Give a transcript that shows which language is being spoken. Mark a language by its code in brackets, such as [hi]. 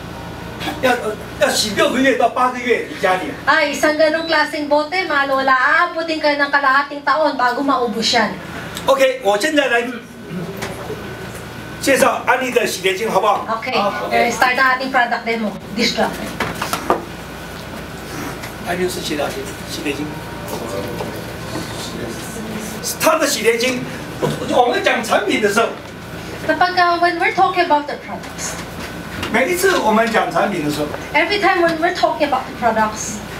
[zh] 这瓶洗碗机，要洗6个月到8个月，你家里。 [tl] Ay, isang ganong klaseng bote, mga lola, aabutin kayo ng kalahating taon bago maubos yan. [zh] Okay, 我现在来 介绍安利的洗洁精好不好? [en] Okay, start na ating product demo, dishwap. [zh] 安利是洗发精，洗洁精，它的洗洁精，我们讲产品的时候，那刚刚 [en] when we're talking about the products， [zh] 每一次我们讲产品的时候 [en] ，every time when we're talking about the products，